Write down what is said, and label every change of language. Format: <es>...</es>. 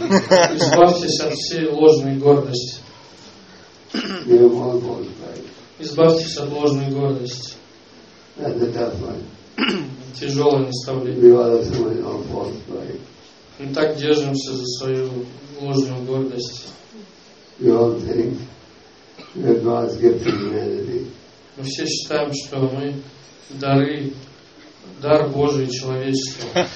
<ru>Избавьтесь от всей ложной гордости.</ru> <en>Give up all false pride.</en> <ru>Избавьтесь от ложной гордости.</ru> <en>That's a tough one.</en> <ru>Тяжелое наставление.</ru> <en>Give up all false pride.</en> <ru>Мы так держимся за свою ложную гордость.</ru> <en>You all think that God's gift is humanity.</en> <ru>Мы все считаем, что мы дары, дар Божий человечеству.</ru>